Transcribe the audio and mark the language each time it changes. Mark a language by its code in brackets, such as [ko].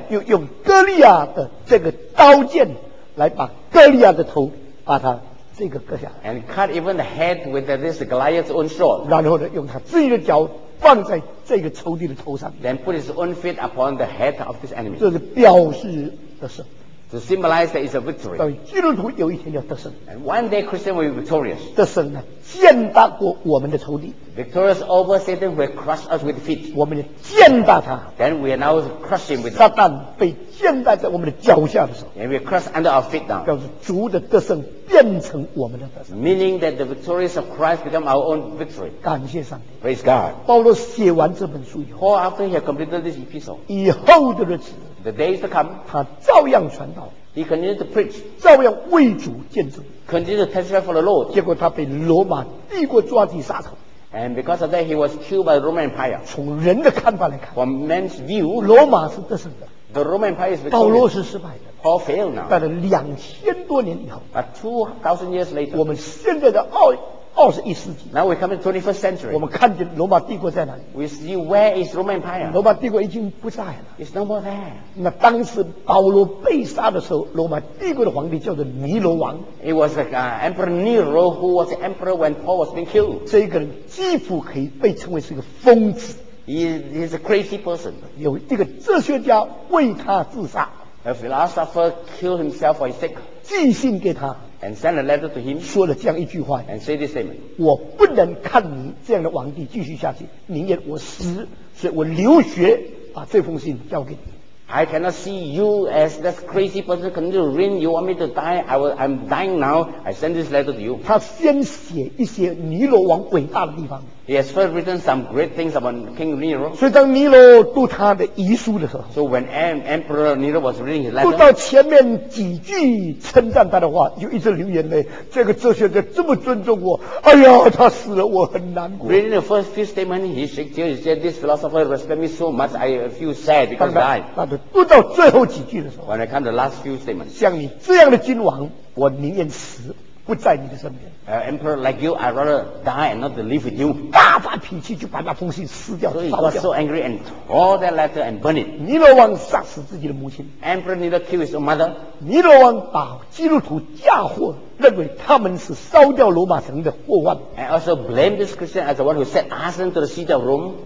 [zh] 又用哥利亚的这个刀剑来把哥利亚的头把它这个割下来 [en] ，and cut even the head with this Goliath's own sword. [zh] 然后呢，用他自己的脚放在这个仇敌的头上 [en] ，then put his own feet upon the head of this enemy. [zh] 这是表示的胜。 [en] To symbolize that it's a victory. [zh] 所以基督徒有一天要得胜。 [en] And one day Christian will be victorious. [zh] 得胜呢，践踏过我们的仇敌。 [en] Victorious over Satan will crush us with feet. [zh] 我们要践踏他。 [en] Then we are now crushing with. [zh] 撒旦被践踏在我们的脚下的时候。 [en] And we crush under our feet now. [zh] 表示主的得胜变成我们的得胜。 [en] Meaning that the victories of Christ become our own victory. [zh] 感谢上帝。 [en] Praise God. [zh] 保罗写完这本书以后 [en] ，Paul after he had completed this epistle. [zh] 以后的日子。 [en] The days to come, [zh] 他照样传道 [en] He continued to preach, [zh] 照样为主见证 [en] Continued to testify for the Lord. [zh] 结果他被罗马帝国抓去杀头 [en] And because of that, he was killed by the Roman Empire. [zh] 从人的看法来看 [en] From man's view, [zh] 罗马是得胜的 [en] The Roman Empire is victorious. [zh] 保罗是失败的 [en] Paul failed now. [zh] 但是2000多年以后 [en] But 2000 years later, [zh] 我们现在的二十一世纪。 [en] Now we're coming to 21st century. [zh] 我们看见罗马帝国在哪里 [en] ？We see where is Roman Empire? [zh] 罗马帝国已经不在了。 [en] It's no more there. [zh] 那当时保罗被杀的时候，罗马帝国的皇帝叫做尼罗王。 [en] It was the Emperor Nero who was the emperor when Paul was being killed. [zh] 这个人几乎可以被称为是一个疯子。 [en] He's a crazy person. [zh] 有这个哲学家为他自杀。 [en] A philosopher killed himself for his sake. [zh] 寄信给他。 [en] And send a letter to him, [zh] 说了这样一句话 [en] and say this statement, [zh] 我不能看你这样的皇帝继续下去宁愿我死所以我留学把这封信交给你 [en] I cannot see you as this crazy person continue to reign you want me to die I'm dying now I send this letter to you [zh] 他先写一些尼罗王伟大的地方 [en] He has first written some great things about King Nero [zh] 所以当尼罗读他的遗书的时候 [en] So when Emperor Nero was reading his letter [zh] 读到前面几句称赞他的话就一直流眼泪这个哲学家这么尊重我哎呀他死了我很难过 [en] Reading the first few statements he shook tears he said this philosopher respect me so much I feel sad because I died [zh] 读到最后几句的时候 [en] When I come to the last few statements [zh] 像你这样的君王我宁愿死不在你的身边 [en] Emperor like you I'd rather die and not live with you [zh] 大发脾气就把那封信撕掉 [en] So he got so angry and tore that letter and burned it [zh] 尼罗王杀死自己的母亲 [en] Emperor Nero killed his own mother [zh] 尼罗王把基督徒嫁祸认为他们是烧掉罗马城的祸患 [en] And also blame this Christian as the one who set arson to the city of Rome